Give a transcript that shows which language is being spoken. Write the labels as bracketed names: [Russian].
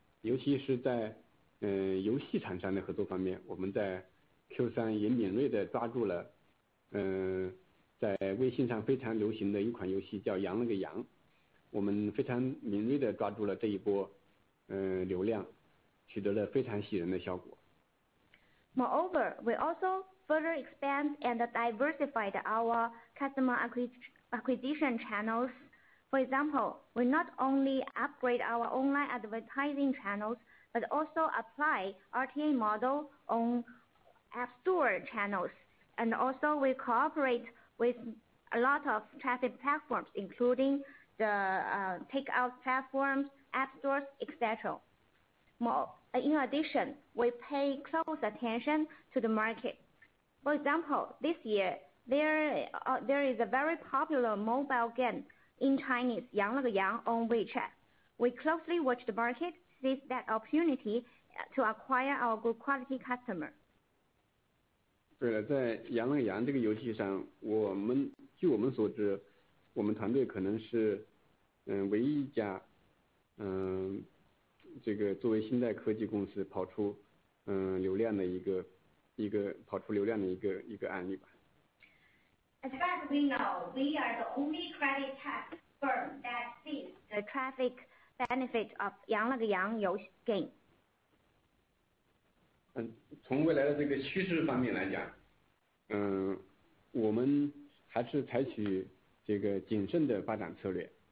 [Chinese] 尤其是在游戏厂商的合作方面，我们在 Q3 也敏锐地抓住了在微信上非常流行的一款游戏叫《羊了个羊》，我们非常敏锐地抓住了这一波流量，取得了非常喜人的效果。 [English] Moreover, we also further expand and diversified our customer acquisition channels. For example, we not only upgrade our online advertising channels, but also apply RTA model on app store channels. And also we cooperate with a lot of traffic platforms, including the takeout platforms, app stores, etc. In addition, we pay close attention to the market. For example, this year, there is a very popular mobile game in Chinese, Yang Le Yang, on WeChat. We closely watch the market, seize that opportunity to acquire our good quality customer. [Chinese] 对了，在羊了个羊这个游戏上，我们据我们所知，我们团队可能是唯一一家这个作为新贷科技公司跑出流量的一个跑出流量的一个案例吧。 [English] As far as we know, we are the only credit tech firm that sees the traffic benefit of 羊了个羊游戏 game。 [Chinese] 从未来的这个趋势方面来讲，我们还是采取这个谨慎的发展策略。